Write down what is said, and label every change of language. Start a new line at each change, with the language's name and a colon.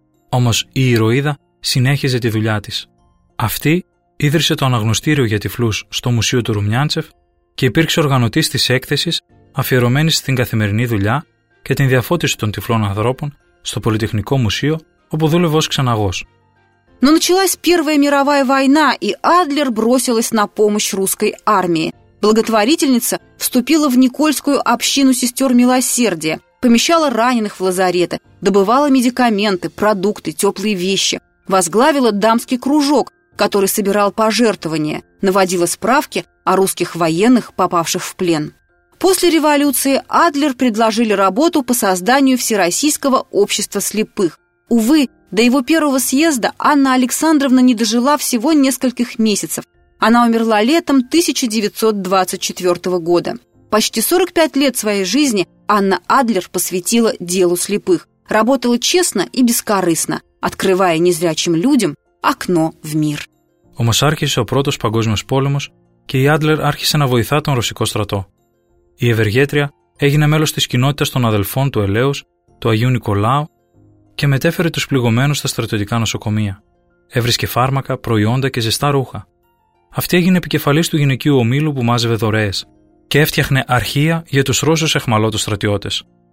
Greek: Όμως η ηρωίδα συνέχιζε τη δουλειά της. Αυτή ίδρυσε το αναγνωστήριο για τυφλούς στο Μουσείο του Ρουμιάντσεφ και υπήρξε οργανωτής της έκθεσης αφιερωμένης στην καθημερινή δουλειά και την διαφώτιση των τυφλών ανθρώπων στο Πολυτεχνικό Μουσείο, όπου δούλευε ως ξαναγός.
Russian: Но началась Первая мировая война, и Адлер бросилась на помощь русской армии. Благотворительница вступила в Никольскую общину сестер милосердия, помещала раненых в лазареты, добывала медикаменты, продукты, теплые вещи, возглавила дамский кружок, который собирал пожертвования, наводила справки о русских военных, попавших в плен. После революции Адлер предложили работу по созданию Всероссийского общества слепых. Увы, до его первого съезда Анна Александровна не дожила всего нескольких месяцев. Она умерла летом 1924 года. Почти 45 лет своей жизни Анна Адлер посвятила делу слепых. Работала честно и бескорыстно, открывая незрячим людям окно в мир.
Greek: Όμως άρχισε ο πρώτος παγκόσμιος πόλεμος και η Άντλερ άρχισε να βοηθά τον ρωσικό στρατό. Η ευεργέτρια έγινε μέλος της κοινότητας των αδελφών του Ελέους, του Αγίου Νικολάου, και μετέφερε τους πληγωμένους στα στρατιωτικά νοσοκομεία. Έβρισκε φάρμακα, προϊόντα και ζεστά ρούχα. Αυτή έγινε επικεφαλής του γυναικείου ομίλου που μάζευε δωρεές και έφτιαχνε αρχεία για τους Ρώσους αιχμαλώτους στρατιώτες.